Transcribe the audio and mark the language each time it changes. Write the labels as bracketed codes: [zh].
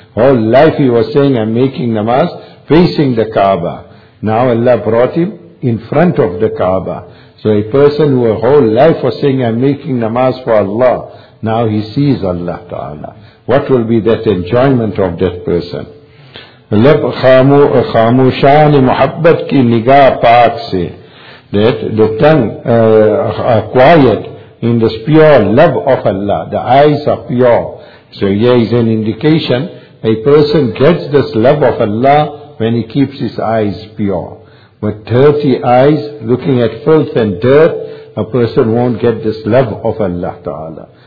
[en] Whole life he was saying, I'm making namaz, facing the Kaaba. Now Allah brought him in front of the Kaaba. So a person who a whole life was saying, I'm making namaz for Allah, now he sees Allah Ta'ala. What will be that enjoyment of that person? [ur] لب خاموشان محبت کی نگاہ پاک سے. [en] That the tongue are quiet in this pure love of Allah. The eyes are pure. So here is an indication. A person gets this love of Allah when he keeps his eyes pure. With dirty eyes, looking at filth and dirt, a person won't get this love of Allah Ta'ala.